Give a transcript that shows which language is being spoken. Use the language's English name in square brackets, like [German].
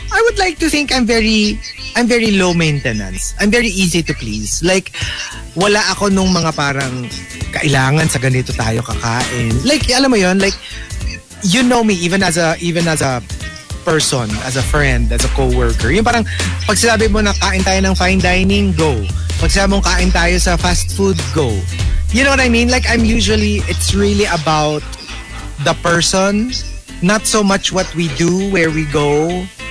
[English] I would like to think I'm very low maintenance. I'm very easy to please. [Filipino] Like, wala ako nung mga parang kailangan sa ganito tayo kakain. Like, alam mo yon? [English] Like, you know me even as a person, as a friend, as a coworker. [Filipino] Yung parang pag sinabi mo na kain tayo ng [English] fine dining, go. [Filipino] Pag sinabi mo kain tayo sa [English] fast food, go. You know what I mean? Like, I'm usually, it's really about the person, not so much what we do, where we go.